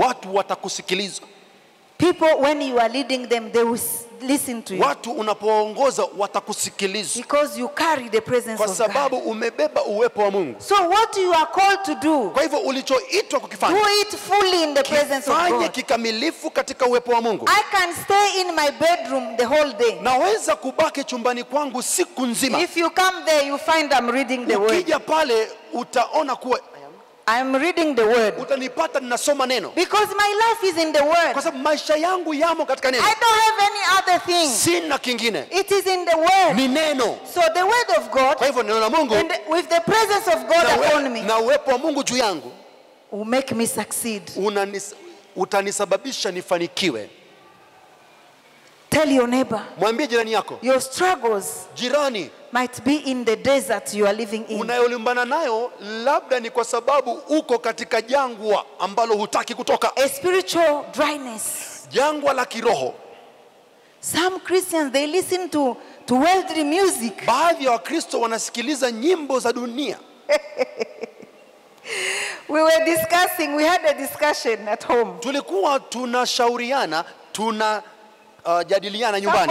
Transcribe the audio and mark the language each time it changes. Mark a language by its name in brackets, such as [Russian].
[Swahili] Watu watakusikiliza. [English] People, when you are leading them, they will listen to you. [Swahili] Watu unapoongoza watakusikiliza. [English] Because you carry the presence of God. [Swahili] Kwa sababu umebeba uwepo wa Mungu. [English] So what you are called to do? [Swahili] Kwa hivyo ulichoitwa kukifanya. [English] Do it fully in the presence of God. [Swahili] Fanye kikamilifu katika uwepo wa Mungu. [English] I can stay in my bedroom the whole day. [Swahili] Naweza kubaki chumbani kwangu siku nzima. [English] If you come there, you find I'm reading the word. [Swahili] Ukija pale utaona kuwa [English] I'm reading the word. [Swahili] Utanipata ninasoma neno. [English] Because my life is in the word. [Swahili] Kwa sababu maisha yangu yamo katika neno. [English] I don't have any other thing. [Swahili] Sina kingine. [English] It is in the word. [Swahili] Ni neno. [English] So the word of God. [Swahili] Kwa hivyo neno la Mungu. [English] And with the presence of God upon me. [Swahili] Na uwepo wa Mungu juu yangu. [English] Will make me succeed. [Swahili] Utanisababisha nifanikiwe. [English] Tell your neighbor. [Swahili] Mwambie jirani yako. [English] Your struggles. [Swahili] Jirani. [English] Might be in the desert you are living in. [Swahili] Unayolimbana nayo labda ni kwa sababu uko katika jangwa ambalo hutaki kutoka. [English] A spiritual dryness. [Swahili] Jangwa la kiroho. [English] Some Christians they listen to worldly music. [Swahili] Baadhi ya Wakristo wanasikiliza nyimbo za dunia. [English] We were discussing, we had a discussion at home. [Swahili] Tulikuwa tunashauriana, tunajadiliana nyumbani.